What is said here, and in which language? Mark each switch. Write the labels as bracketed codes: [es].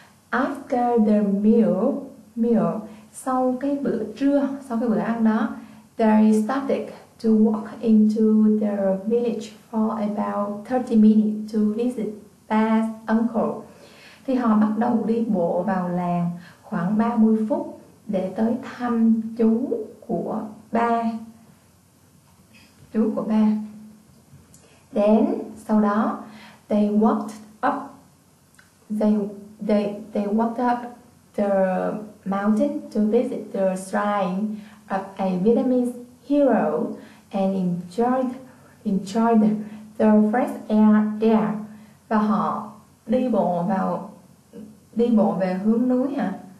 [en] After the meal, [vi] sau cái bữa trưa, sau cái bữa ăn đó, [en] they started to walk into the village for about 30 minutes to visit Ba's uncle. [vi] Thì họ bắt đầu đi bộ vào làng khoảng 30 phút để tới thăm chú của Ba. Chú của Ba. [en] Then, [vi] sau đó, [en] they walked up the mountain to visit the shrine of a Vietnamese hero and enjoyed the fresh air there. [vi] Và họ đi bộ về hướng núi hả?